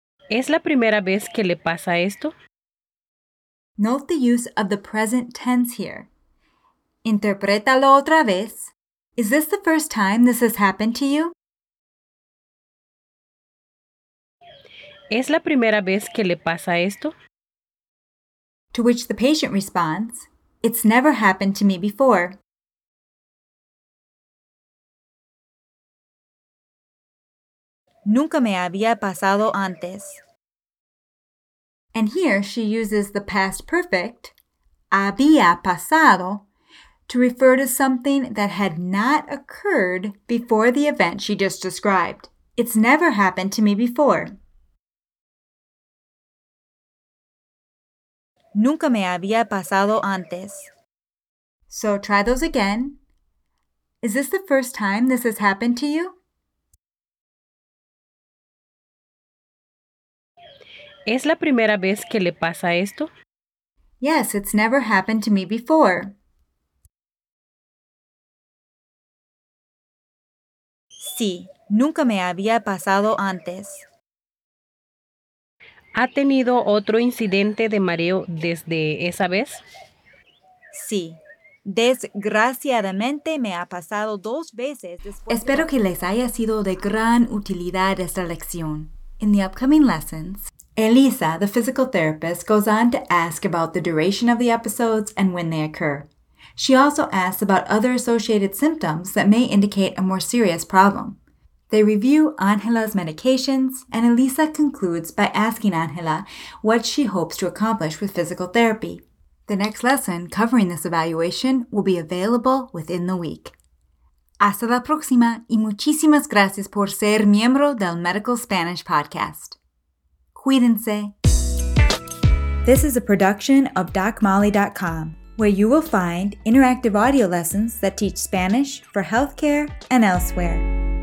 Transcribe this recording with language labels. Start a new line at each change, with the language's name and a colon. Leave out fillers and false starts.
Spanish: ¿Es la primera vez que le pasa esto?
English: Note the use of the present tense here.
Spanish: Interprétalo otra vez.
English: Is this the first time this has happened to you?
Spanish: ¿Es la primera vez que le pasa esto?
English: To which the patient responds, It's never happened to me before.
Spanish: Nunca me había pasado antes.
English: And here she uses the past perfect, había pasado, to refer to something that had not occurred before the event she just described. It's never happened to me before.
Spanish: Nunca me había pasado antes.
English: So try those again. Is this the first time this has happened to you?
Spanish: ¿Es la primera vez que le pasa esto?
English: Yes, it's never happened to me before.
Spanish: Sí, nunca me había pasado antes. ¿Ha tenido otro incidente de mareo desde esa vez? Sí. Desgraciadamente me ha pasado dos veces. Espero que les haya sido de gran utilidad esta lección.
English: In the upcoming lessons, Elisa, the physical therapist, goes on to ask about the duration of the episodes and when they occur. She also asks about other associated symptoms that may indicate a more serious problem. They review Angela's medications, and Elisa concludes by asking Angela what she hopes to accomplish with physical therapy. The next lesson covering this evaluation will be available within the week.
Spanish: Hasta la próxima, y muchísimas gracias por ser miembro del Medical Spanish Podcast. Cuídense.
English: This is a production of DocMolly.com, where you will find interactive audio lessons that teach Spanish for healthcare and elsewhere.